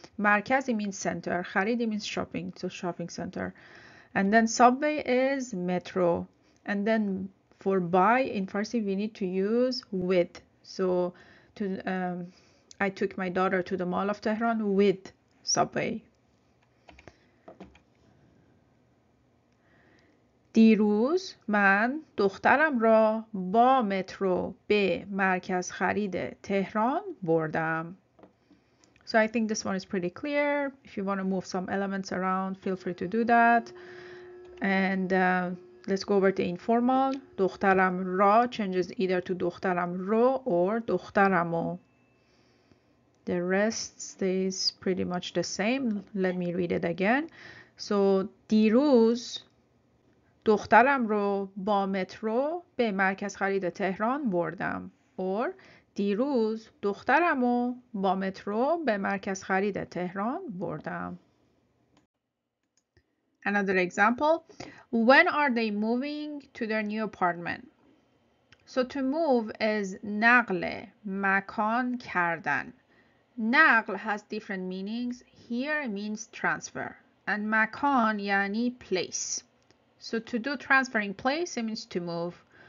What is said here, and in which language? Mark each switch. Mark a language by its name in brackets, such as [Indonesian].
[English] Markaz means center. Kharid means shopping, so shopping center. And then subway is metro. And then for buy in Farsi, we need to use with. So to I took my daughter to the Mall of Tehran with subway. [Persian] دیروز من دخترم را با مترو به مرکز خرید تهران بردم. [English] So I think this one is pretty clear. If you want to move some elements around, feel free to do that. And let's go over the informal. [Persian] دخترم را [English] changes either to [Persian] دخترم رو [English] or دخترمو. The rest stays pretty much the same. Let me read it again. [Persian] So دیروز دخترم رو با مترو به مرکز خرید تهران بردم. Or دیروز دخترم رو با مترو به مرکز خرید تهران بردم. [English] Another example. When are they moving to their new apartment? So to move is نقل مکان کردن. نقل has different meanings. Here means transfer. And [Persian] مکان یعنی [English] place. So to do transferring place, it means to move.